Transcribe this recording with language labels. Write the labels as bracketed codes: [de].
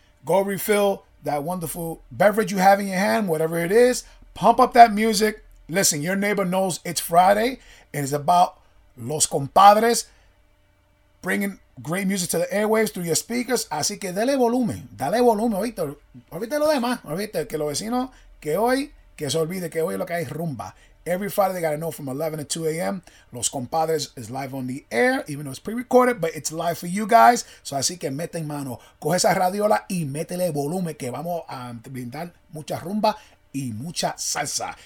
[en] Go refill that wonderful beverage you have in your hand, whatever it is. Pump up that music. Listen, your neighbor knows it's Friday. And it's about Los Compadres bringing great music to the airwaves through your speakers. [es] Así que dale volumen. Dale volumen, oíste. Oíste lo demás. Oíste que los vecinos que hoy, que se olvide que hoy lo que hay es rumba. [en] Every Friday, they got to know from 11 to 2 a.m. Los Compadres is live on the air, even though it's pre-recorded, but it's live for you guys. [es] So así que mete en mano. Coge esa radiola y métele volumen que vamos a brindar mucha rumba y mucha salsa.